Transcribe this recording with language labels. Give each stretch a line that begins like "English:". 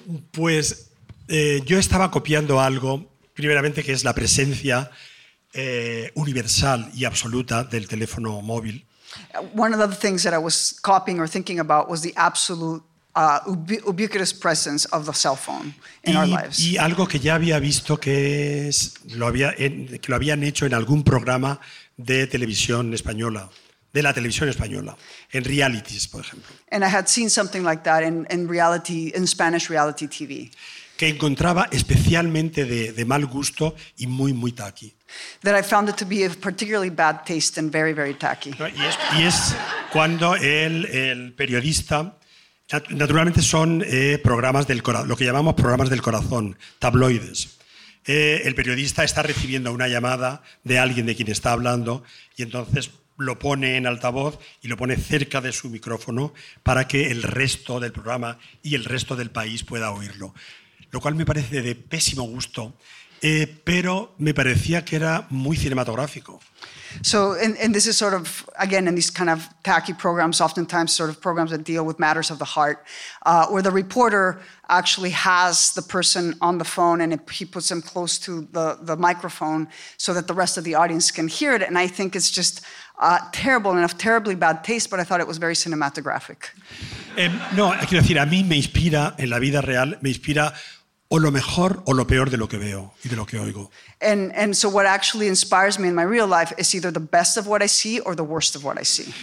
Spanish: pues yo estaba copiando algo, primeramente que es la presencia universal y absoluta del teléfono móvil.
English: One of the things that I was copying or thinking about was the absolute ubiquitous presence of the cell phone in our lives.
Spanish: Y algo que ya había visto que es que lo habían hecho en algún programa de televisión española, de la televisión española, en realities, por ejemplo.
English: And I had seen something like that in reality, in Spanish reality TV.
Spanish: Que encontraba especialmente de mal gusto y muy muy tacky.
English: That I found it to be of particularly bad taste and very very tacky.
Spanish: Y es cuando el periodista. Naturalmente son programas del corazón, lo que llamamos programas del corazón, tabloides. El periodista está recibiendo una llamada de alguien de quien está hablando y entonces lo pone en altavoz y lo pone cerca de su micrófono para que el resto del programa y el resto del país pueda oírlo. Lo cual me parece de pésimo gusto pero me parecía que era muy cinematográfico.
English: So, and this is sort of, again, in these kind of tacky programs, oftentimes sort of programs that deal with matters of the heart, where the reporter actually has the person on the phone and he puts them close to the microphone so that the rest of the audience can hear it. And I think it's just terrible and of terribly bad taste, but I thought it was very cinematographic.
Spanish: No, quiero decir, a mí me inspira, en la vida real, me inspira o lo mejor o lo peor de lo que veo y de lo que oigo.
English: And so what actually inspires me in my real life is either the best of what I see or the worst of what I see.